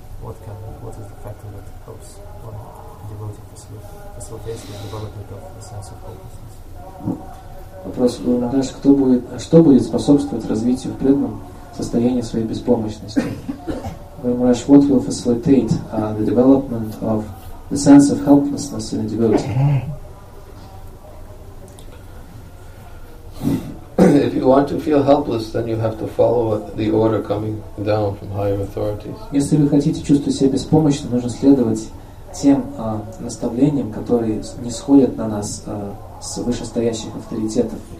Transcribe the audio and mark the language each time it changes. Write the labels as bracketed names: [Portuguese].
[English] What is the factor that helps one devotee facilitate the development of a sense of helplessness? [Russian] Вопрос, Наташ, что будет способствовать развитию в преданном состоянии своей беспомощности? [English] Наташ, what will facilitate the development of the sense of helplessness in a devotee? If you want to feel helpless, then you have to follow the order coming down from higher authorities. [Russian] Если вы хотите чувствовать себя беспомощным, нужно следовать тем наставлениям, которые нисходят на нас с вышестоящих авторитетов.